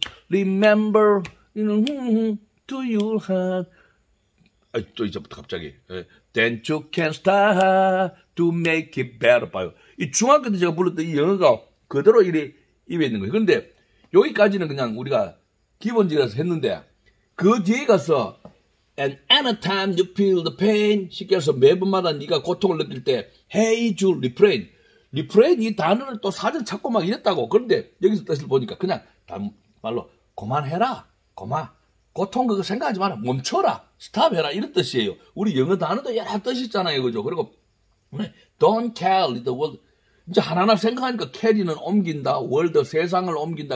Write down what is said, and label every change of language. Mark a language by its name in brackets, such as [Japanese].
[English] Remember, you know, to your heart. [Korean] 또 이제부터 갑자기. [English] Then you can start to make it better. [Korean] 봐요. 이 중학교 때 제가 불렀던 이 영어가 그대로 이래 입에 있는 거예요. 그런데 여기까지는 그냥 우리가 기본적이라서 했는데 그 뒤에 가서 [English] And anytime you feel the pain, [Korean] 쉽게 해서 매번마다 네가 고통을 느낄 때, [English] Hey, Jude, refrain. [Korean] Refrain 이 단어를 또 사전 찾고 막 이랬다고. 그런데 여기서 뜻을 보니까 그냥 말로 그만해라. 고통 그거 생각하지 마라. 멈춰라. Stop 해라. 이런 뜻이에요. 우리 영어 단어도 여러 뜻이 있잖아요. 그죠? [English] 그리고 Don't carry the world. [Korean] 이제 하나하나 생각하니까 carry는 옮긴다. world, 세상을 옮긴다.